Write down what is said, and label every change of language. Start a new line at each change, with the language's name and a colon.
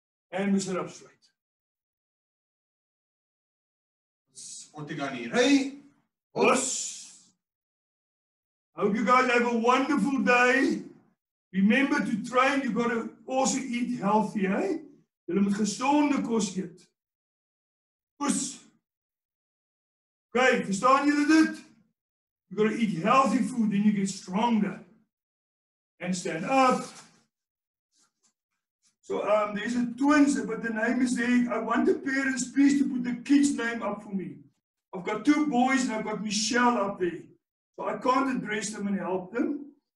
English: And we sit up straight. Us. I hope you guys have a wonderful day. Remember to train, you got to also eat healthy, eh?
Afrikaans: Jullie moet gezonde kost eet. Oes. Okay, verstaan jullie dit?
English: You got to eat healthy food, then you get stronger. And stand up. So, there's a twins, but the name is there. I want the parents, please, to put the kid's name up for me. I've got two boys and I've got Michelle up there. So I can't address them and help them.